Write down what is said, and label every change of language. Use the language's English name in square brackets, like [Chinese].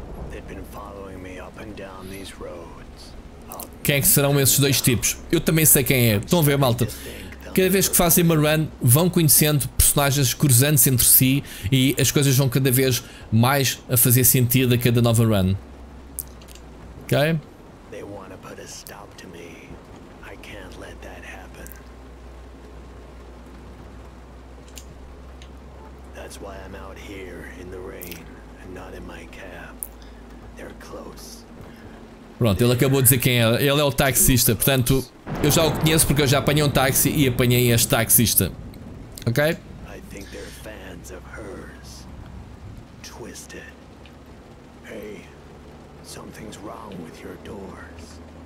[English] They've been following me up and down these roads. [Portuguese] Quem é que serão esses dois tipos? Eu também sei quem é. Estão a ver, malta? Cada vez que fazem uma run, vão conhecendo personagens, cruzando-se entre si, e as coisas vão cada vez mais a fazer sentido a cada nova run. Ok? [English] They wanna put a stop to me. I can't let that happen. That's why I'm out here in the rain and not in my cab. They're close. [Portuguese] Pronto, ele acabou de dizer quem é. Ele é o taxista, portanto, eu já o conheço porque eu já apanhei um táxi e apanhei este taxista. Ok? [English] I think they're fans of hers. Twisted. Hey, something's wrong with your doors.